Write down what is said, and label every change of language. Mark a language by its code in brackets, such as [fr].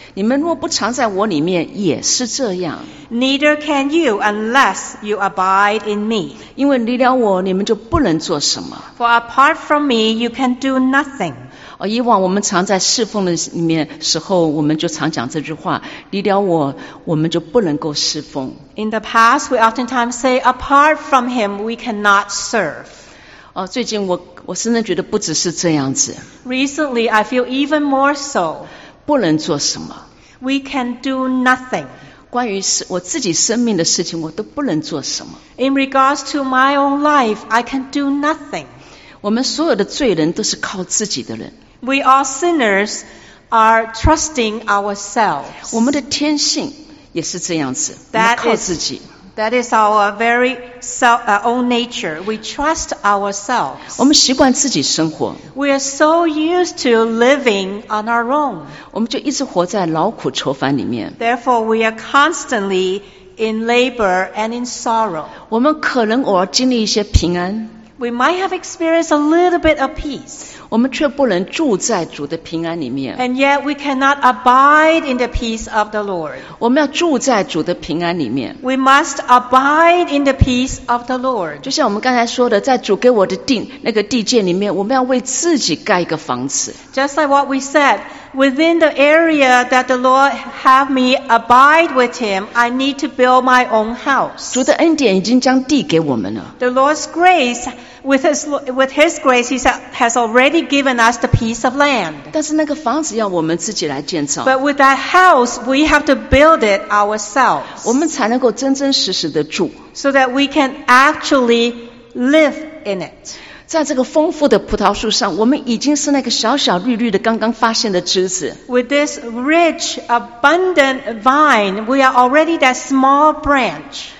[zh] 你们若不常在我里面也是这样。 [en] Neither can you unless you abide in me. [zh] 因为离了我你们就不能做什么。 [en] For apart from me, you can do nothing. [zh] 以往我们常在侍奉的里面时候我们就常讲这句话，离了我我们就不能够侍奉。 [en] In the past we oftentimes say apart from him we cannot serve. [zh] 最近我真的觉得不只是这样子。 [en] Recently I feel even more so. [zh] 不能做什么。 [en] We can do nothing. [zh] 关于我自己生命的事情我都不能做什么。 [en] In regards to my own life I can do nothing. [zh] 我们所有的罪人都是靠自己的人。 [en] We all sinners are trusting ourselves. [zh] 我们的天性也是这样子，我们靠自己。 [en] That is our very self, own nature. We trust ourselves. [zh] 我们习惯自己生活。 [en] We are so used to living on our own. [zh] 我们就一直活在劳苦愁烦里面。 [en] Therefore, we are constantly in labor and in sorrow. [zh] 我们可能偶尔经历一些平安。 [en] We might have experienced a little bit of peace. [zh] 我们却不能住在主的平安里面。 [en] And yet we cannot abide in the peace of the Lord. [zh] 我们要住在主的平安里面。 [en] We must abide in the peace of the Lord. [zh] 就像我们刚才说的，在主给我的地界里面，我们要为自己盖一个房子。 [en] Just like what we said, within the area that the Lord have me abide with him, I need to build my own house. [zh] 主的恩典已经将地给我们了。 [en] The Lord's grace,With his grace, he has already given us the piece of land. [zh] 但是那个房子要我们自己来建造。 [en] But with that house, we have to build it ourselves. [zh] 我们才能够真真实实的住。 [en] So that we can actually live in it. [zh] 在这个丰富的葡萄树上，我们已经是那个小小绿绿的刚刚发现的枝子。 [en] With this rich, abundant vine, we are already that small branch.